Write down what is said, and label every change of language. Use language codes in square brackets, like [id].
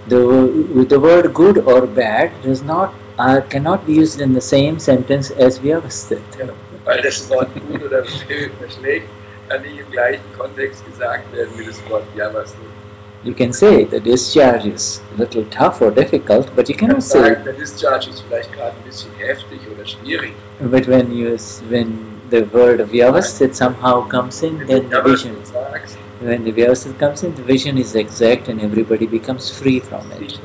[en] The word good or bad does not, cannot be used in the same sentence as Vyavasthit. [de] Weil das Wort gut oder schlecht kann nicht im gleichen Kontext gesagt werden wie das Wort Vyavasthit. [en] You can say the discharge is a little tough or difficult, but you cannot say the discharge is [de] vielleicht gerade ein bisschen heftig oder schwierig. [en] But when the word Vyavasthit somehow comes in, then the vision, when the Vyavasthit comes in, the vision is exact and everybody becomes free from it.